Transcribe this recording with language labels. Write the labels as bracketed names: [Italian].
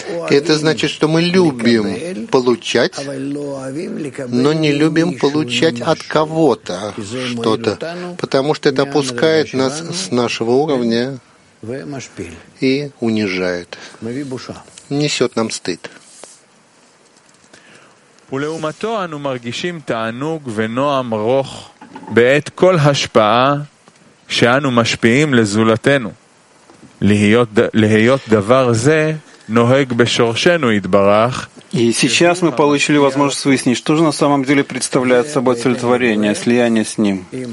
[Russian] Это значит, что мы любим получать, но не любим получать от кого-то что-то, потому что это опускает нас с нашего уровня и унижает, несет нам стыд. [Hebrew] ולעומתו אנו מרגישים תענוג ונועם רוח בעת כל השפעה שאנו משפיעים לזולתנו. להיות דבר זה נוהג בשורשנו יתברך. [Russian] И сейчас мы получили возможность выяснить, что же на самом деле представляет собой целетворение, слияние с Ним.